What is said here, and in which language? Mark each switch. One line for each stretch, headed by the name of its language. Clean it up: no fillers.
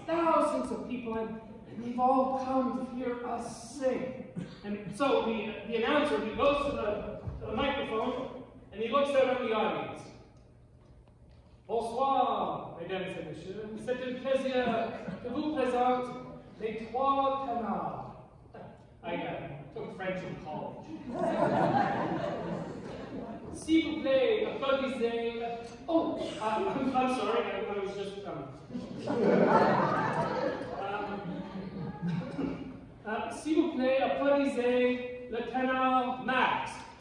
English: Thousands of people, and they've all come to hear us sing. And so the announcer, he goes to the microphone, and he looks looks over at the audience.
French: Bonsoir, mesdames et messieurs. C'est un plaisir que vous présente les trois canards.
English: I took French in college.
French: S'il vous plaît, applaudissez.
English: I'm sorry, I was just.
French: S'il vous plaît, applaudissez le canard Max.